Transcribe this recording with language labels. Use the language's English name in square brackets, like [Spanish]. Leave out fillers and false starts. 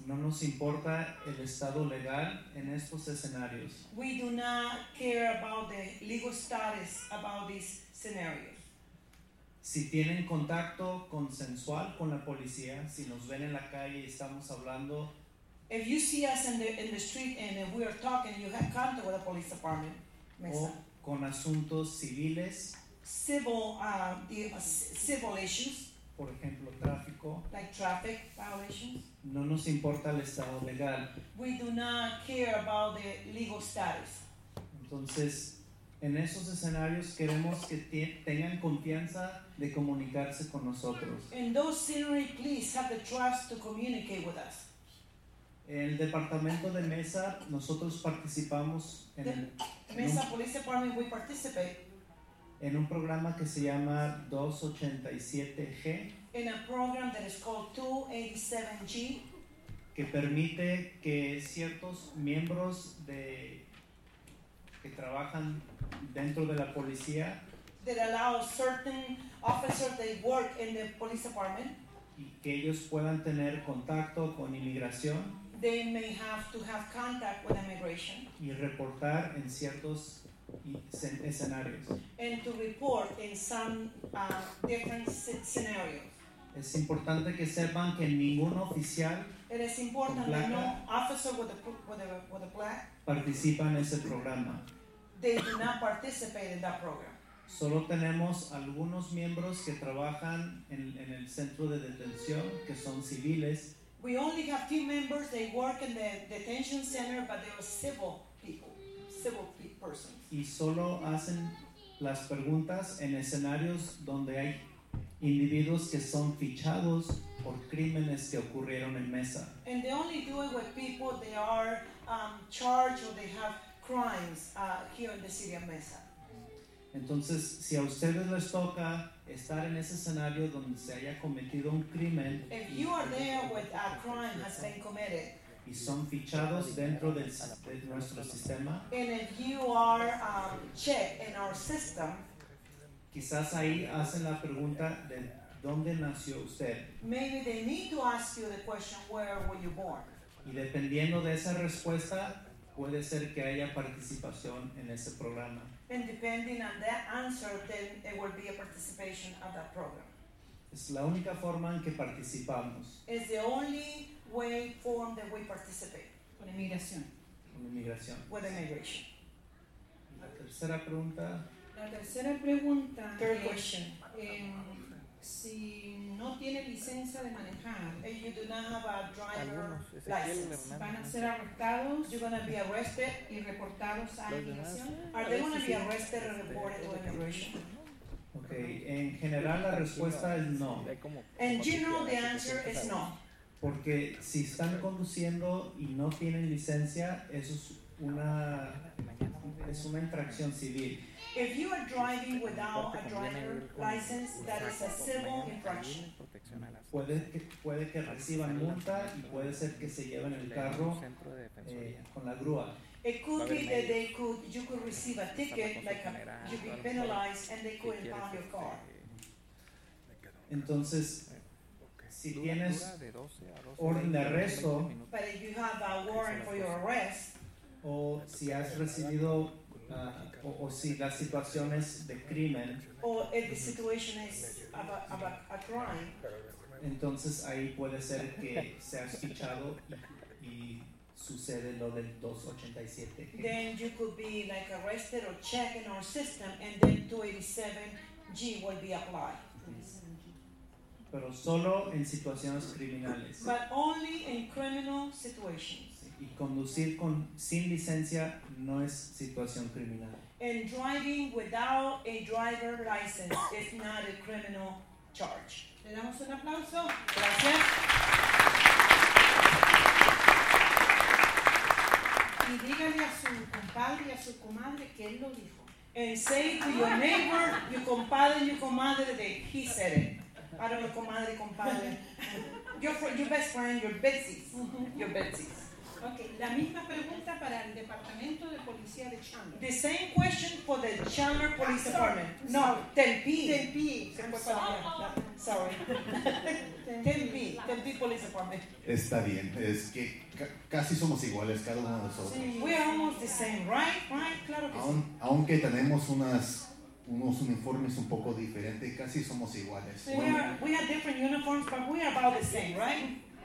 [Spanish] No nos importa el estado legal en estos escenarios. [English] We do not care about the legal status about these scenarios. [Spanish] Si tienen contacto consensual con la policía, si nos ven en la calle y estamos hablando, [English] if you see us in the street and we are talking, you have contact with the police department, [Spanish] Mesa. Con asuntos civiles, [English] civil issues, [Spanish] por ejemplo, tráfico, [English] like traffic violations, [Spanish] no nos importa el estado legal. [English] We do not care about the legal status. [Spanish] Entonces, en esos escenarios queremos que tengan confianza de comunicarse con nosotros. [English] In those scenarios, please have the trust to communicate with us. [Spanish] En el departamento de Mesa, nosotros participamos en [English] the Mesa Police Department, we participate [Spanish] en un programa que se llama 287G. [English] In a program that is called 287G, [Spanish] que permite que ciertos miembros de que trabajan dentro de la policía, [English] that allows certain officers that work in the police department, [Spanish] y que ellos puedan tener contacto con inmigración, [English] they may have to have contact with immigration, [Spanish] y reportar en ciertos escenarios, [English] and to report in some different scenarios. [Spanish] Es importante que sepan que ningún oficial, [English] it is important that no officer with a black [Spanish] participa en ese programa. [English] They do not participate in that program. [Spanish] Solo tenemos algunos miembros que trabajan en el centro de detención que son civiles. [English] We only have few members that work in the detention center, but they are civil people, civil persons. [Spanish] Y solo hacen las preguntas en escenarios donde hay individuos que son fichados por crímenes que ocurrieron en Mesa. [English] And they only do it with people that are charged or they have crimes here in the city of Mesa. [Spanish] Entonces, si a ustedes les toca estar en ese escenario donde se haya cometido un crimen, [English] if you are there with a crime has been committed, [Spanish] y son fichados dentro de nuestro sistema, [English] and if you are checked in our system, [Spanish] quizás ahí hacen la pregunta de dónde nació usted. [English] Maybe they need to ask you the question, where were you born? [Spanish] Y dependiendo de esa respuesta, puede ser que haya participación en ese programa. [English] And depending on that answer, then it will be a participation of that program. [Spanish] Es la única forma en que participamos. [English] It's the only way form that we participate. [Spanish] Con inmigración. Con inmigración. [English] With immigration. [Spanish] La tercera pregunta. La tercera pregunta. [English] Third question. [Spanish] Si no tiene licencia de manejar, [English] if you do not have a driver license, [Spanish] van a ser arrestados, [English] you're going to be arrested [Spanish] y reportados a inmigración. [English] Are they going to be arrested or reported to immigration? [Spanish] Okay, en general la respuesta es no. [English] In general, the answer is no. [Spanish] Porque si están conduciendo y no tienen licencia, eso es una infracción civil. [English] If you are driving without a driver license, that is a civil infraction. [Spanish] Puede que reciban multa y puede ser que se lleven el carro con la grúa. [English] It could be that you could receive a ticket, like you'd be penalized, and they could impound your car. [Spanish] Entonces, si tienes orden de arresto, [English] but if you have a warrant for your arrest, [Spanish] o si has recibido o si la situación es de crimen, [English] or if the situation is a crime, [Spanish] entonces ahí puede ser que seas fichado y sucede lo del 287. [English] Then you could be like arrested or checked in our system, and then 287G will be applied. [Spanish] Pero solo en situaciones criminales. [English] But only in criminal situations. [Spanish] Y conducir sin licencia no es situación criminal. [English] And driving without a driver license is not a criminal charge. [Spanish] Le damos un aplauso. Gracias. Y dígale a su compadre y a su comadre que él lo dijo. [English] And say to your neighbor, your compadre, your comadre, that he said it. [Spanish] Para mi comadre, compadre. [English] Your best friend, your besties. Your besties. [Spanish] Okay, la misma pregunta para el departamento de policía de Chandler. [English] The same question for the Chandler Police Department. [Spanish] No, Tempe. Tempe. [English] Sorry. Tempe. Tempe Police Department. [Spanish] Está bien, es que casi somos iguales cada uno de nosotros. Sí. [English] We are almost the same, right? [Spanish] Claro que sí. Aunque tenemos unos uniformes un poco diferentes, casi somos iguales. [English] We are different uniforms, but we are about the same, right?